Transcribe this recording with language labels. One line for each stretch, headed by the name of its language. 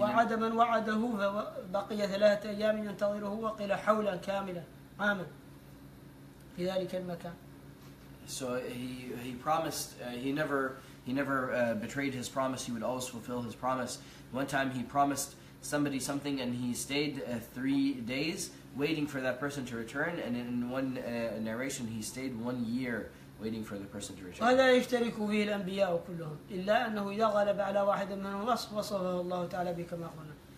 Arabic: وعد من وعده فبقي ثلاثة أيام ينتظره وقيل حولا كاملا عاما في ذلك المكان.
English: So he promised, he never betrayed his promise. He would always fulfill his promise. One time he promised somebody something and he stayed 3 days waiting for that person to return, and in one narration he stayed 1 year waiting for the person to return.
Arabic: ولا يشترك به الأنبياء كلهم إلا أنه إذا غلب على واحد منهم وصفه الله تعالى بكما قلنا.